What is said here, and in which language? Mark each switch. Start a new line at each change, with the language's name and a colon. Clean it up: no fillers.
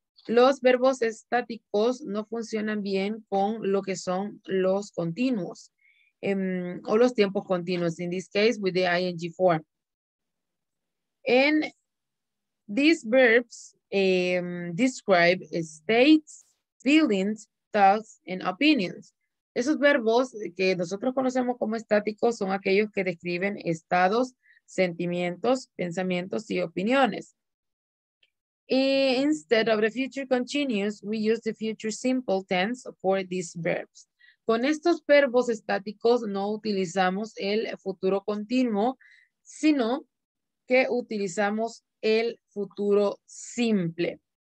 Spanish: Los verbos estáticos no funcionan bien con lo que son los continuos o los tiempos continuos
English: in this case with the ing form. And these verbs describe states, feelings, thoughts, and opinions.
Spanish: Esos verbos que nosotros conocemos como estáticos son aquellos que describen estados, sentimientos, pensamientos, y opiniones.
English: Instead of the future continuous, we use the future simple tense for these verbs.
Spanish: Con estos verbos estáticos no utilizamos el futuro continuo, sino que utilizamos el futuro simple.